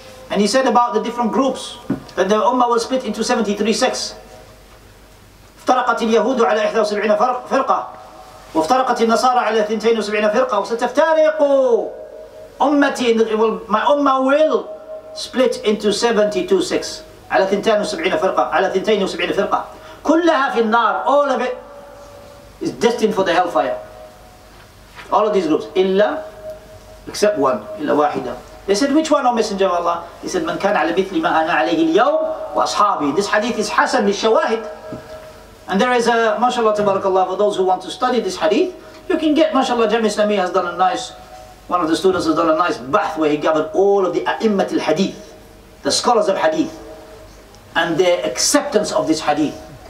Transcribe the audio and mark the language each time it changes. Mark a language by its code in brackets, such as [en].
[en] And he said about the different groups that the ummah will split into 73 sects. [ar] افترقت اليهود على 71 فرقة وافترقت النصارى على 72 فرقة وستفترق أمتي. [en] My ummah will split into 72 sects. [ar] على 72 فرقة. على 72 فرقة. كلها في النار. [en] All of it is destined for the hellfire. All of these groups. [ar] إلا, [en] except one. [ar] إلا واحدة. [en] They said, which one, O Messenger of Allah? He said, [ar] من كان على مثل ما أنا عليه اليوم وأصحابي. [en] This hadith is [ar] حسن للشواهد. [en] And there is a, mashallah, [ar] تبارك الله, [en] for those who want to study this hadith, you can get, mashallah, Jamie Islami has done a nice, one of the students has done a nice bath where he gathered all of the a'immat al-hadith, the scholars of hadith, and their acceptance of this hadith.